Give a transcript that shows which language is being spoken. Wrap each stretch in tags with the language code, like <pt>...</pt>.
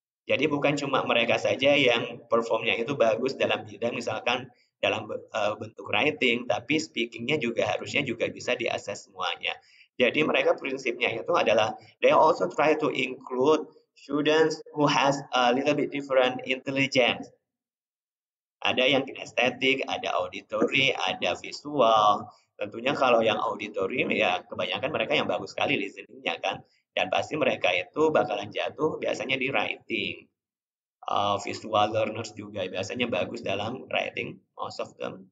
<id>Jadi bukan cuma mereka saja yang performnya itu bagus dalam bidang misalkan dalam bentuk writing, tapi speakingnya juga harusnya juga bisa diakses semuanya. Jadi mereka prinsipnya itu adalah</id> <en>they also try to include students who has a little bit different intelligence.</en> <id>Ada yang kinestetik, ada auditory, ada visual. Tentunya kalau yang auditory, ya kebanyakan mereka yang bagus sekali listening-nya kan. Dan pasti mereka itu bakalan jatuh biasanya di writing.</id> <en>Visual learners</en> <id>juga biasanya bagus dalam</id> <en>writing, most of them.</en>